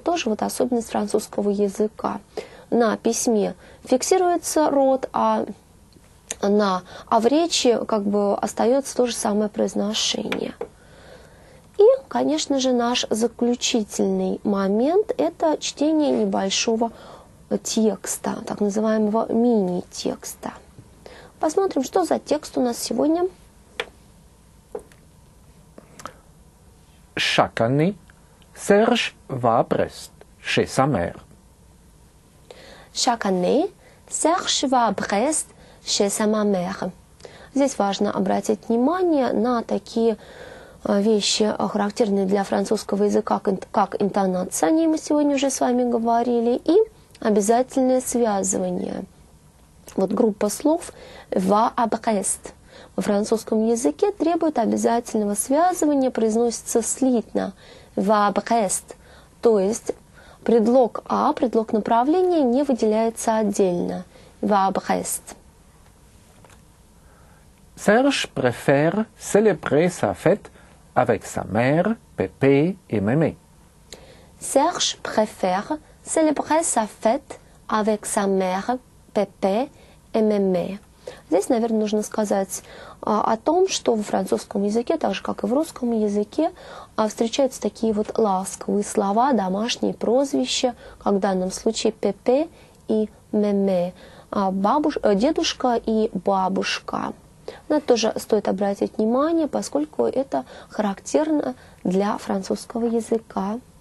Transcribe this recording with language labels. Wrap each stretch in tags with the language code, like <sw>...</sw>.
<ru>Тоже вот особенность французского языка. На письме фиксируется род, а в речи как бы остается то же самое произношение. И, конечно же, наш заключительный момент – это чтение небольшого текста, так называемого мини-текста. Посмотрим, что за текст у нас сегодня.</ru> <fr>Chaque année, Serge va à Brest, chez sa mère. Chaque année, Serge va à Brest, chez sa mère.</fr> <ru>Здесь важно обратить внимание на такие вещи, характерные для французского языка, как интонация, о ней мы сегодня уже с вами говорили, и обязательное связывание. Вот группа слов</ru> <fr>«va à Brest»</fr> <ru>во французском языке требует обязательного связывания, произносится слитно «va à Brest», то есть предлог «а», предлог направления не выделяется отдельно «va à Brest».</ru> <fr>Serge préfère célébrer sa fête avec sa mère, Pépé et Mémé. Serge préfère célébrer sa fête avec sa mère, Pépé et Mémé.</fr> <ru>Здесь, наверное, нужно сказать о том, что во французском языке, так же, как и в русском языке, встречаются такие вот ласковые слова, домашние прозвища, как в данном случае Pépé и Mémé. Дедушка и бабушка. На это тоже стоит обратить внимание, поскольку это характерно для французского языка.</ru>